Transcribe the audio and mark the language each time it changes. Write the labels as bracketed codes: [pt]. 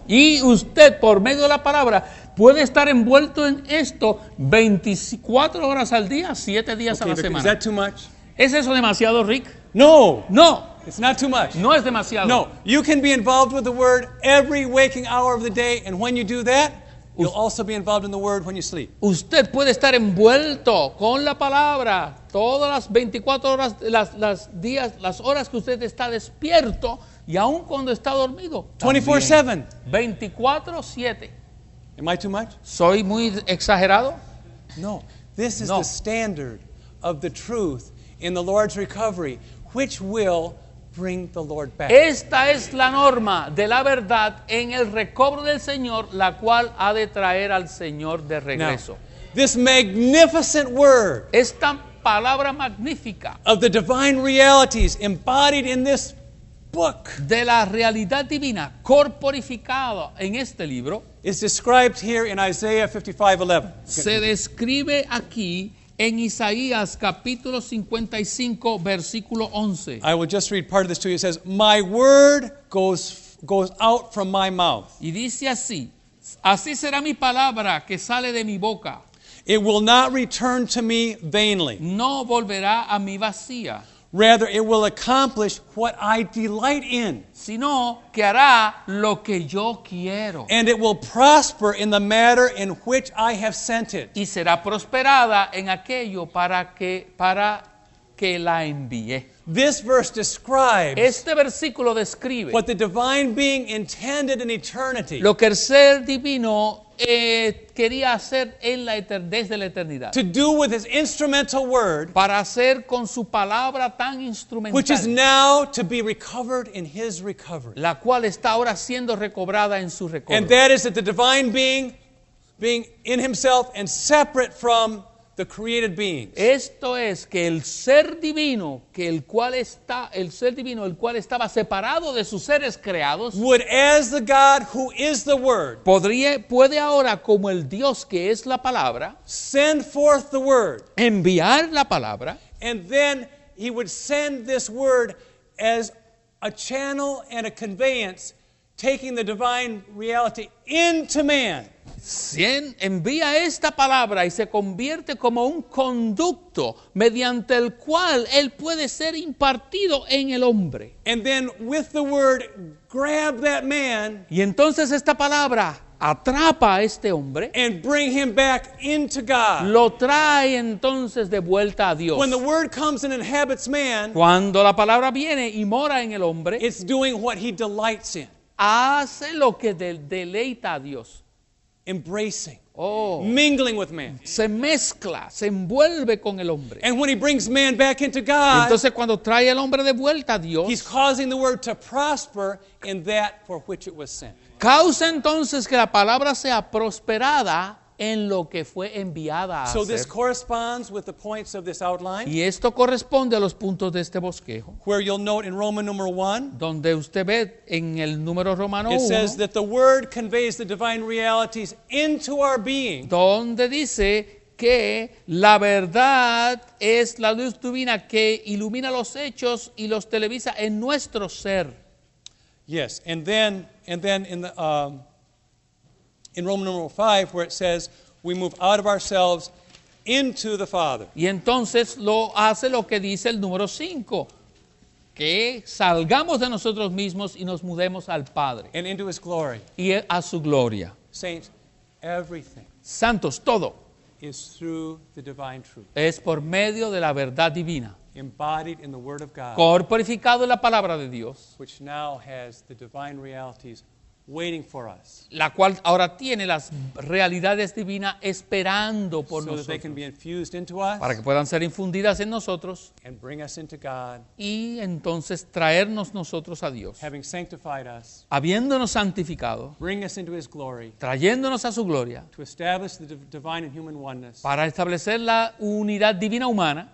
[es] Y usted por medio de la palabra puede estar envuelto en esto 24 horas al día, 7 días [en] okay, [es] a la semana. [en] Is that too much? [es] ¿Es eso demasiado, Rick? No. [en] No. It's not too much. [es] No es demasiado. No. [en] You can be involved with the word every waking hour of the day, and when you do that, you'll also be involved in the word when you sleep. [es] Usted puede estar envuelto con la palabra todas las 24 horas, las horas que usted está despierto y aun cuando está dormido. [en] 24/7. 24/7. Am I too much? [es] ¿Soy muy exagerado? No. [en] This is the standard of the truth in the Lord's recovery, which will bring the Lord back. [es] Esta es la norma de la verdad en el recobro del Señor, la cual ha de traer al Señor de regreso. [en] Now, this magnificent word. [es] Esta palabra magnífica. [en] Of the divine realities embodied in this book. [es] De la realidad divina corporificada en este libro. [en] Is described here in Isaiah 55:11. [es] Se describe aquí en Isaías capítulo 55 versículo 11. [en] I will just read part of this to you. It says, "My word goes out from my mouth." [es] Y dice así: Así será mi palabra que sale de mi boca. [en] It will not return to me vainly. [es] No volverá a mí vacía. [en] Rather, it will accomplish what I delight in. [es] Sino que hará lo que yo quiero. [en] And it will prosper in the matter in which I have sent it. [es] Y será prosperada en aquello para que la envié. [en] This verse describes [es] este versículo describe [en] what the divine being intended in eternity. [es] Lo que el ser divino quería hacer en la desde la eternidad. [en] To do with his instrumental word, [es] para hacer con su palabra tan instrumental, [en] which is now to be recovered in his recovery, [es] la cual está ahora siendo recobrada en su recobro. [en] And that is that the divine being in himself and separate from the created beings. [es] Esto es que el ser divino, el cual estaba separado de sus seres creados, [en] would as the God who is the word, [es] puede ahora como el Dios que es la palabra, [en] send forth the word, [es] enviar la palabra, [en] and then he would send this word as a channel and a conveyance, taking the divine reality into man. [es] Envía esta palabra y se convierte como un conducto mediante el cual él puede ser impartido en el hombre. [en] And then with the word, grab that man, [es] y entonces esta palabra atrapa a este hombre, [en] and bring him back into God. [es] Lo trae entonces de vuelta a Dios. [en] When the word comes and inhabits man, [es] cuando la palabra viene y mora en el hombre, [en] it's doing what he delights in. [es] Hace lo que deleita a Dios. [en] Embracing. Oh. Mingling with man. [es] Se mezcla, se envuelve con el hombre. [en] And when he brings man back into God, [es] entonces cuando trae el hombre de vuelta a Dios, [en] he's causing the word to prosper in that for which it was sent. [es] Causa entonces que la palabra sea prosperada en lo que fue enviada a hacer. [en] So this corresponds with the points of this outline. [es] Y esto corresponde a los puntos de este bosquejo. [en] Where you'll note in Roman number one, [es] donde usted ve en el número romano [en] 1. It says that the word conveys the divine realities into our being. [es] Donde dice que la verdad es la luz divina que ilumina los hechos y los televisa en nuestro ser. [en] Yes, and then in the in Roman number 5, where it says we move out of ourselves into the Father. [es] Y entonces lo hace lo que dice el número 5, que salgamos de nosotros mismos y nos mudemos al Padre. [en] And into His glory. [es] Y a su gloria. [en] Saints, everything. [es] Santos, todo. [en] Is through the divine truth. [es] Es por medio de la verdad divina. [en] Embodied in the Word of God, [es] corporificado en la palabra de Dios, [en] which now has the divine realities waiting for us, [es] la cual ahora tiene las realidades divinas esperando por [en] so [es] nosotros, [en] that they can be infused into us, [es] para que puedan ser infundidas en nosotros, [en] and bring us into God, [es] y entonces traernos nosotros a Dios, [en] having sanctified us, [es] habiéndonos santificado, [en] bring us into His glory, [es] trayéndonos a su gloria, [en] to establish the divine and human oneness, [es] para establecer la unidad divina humana,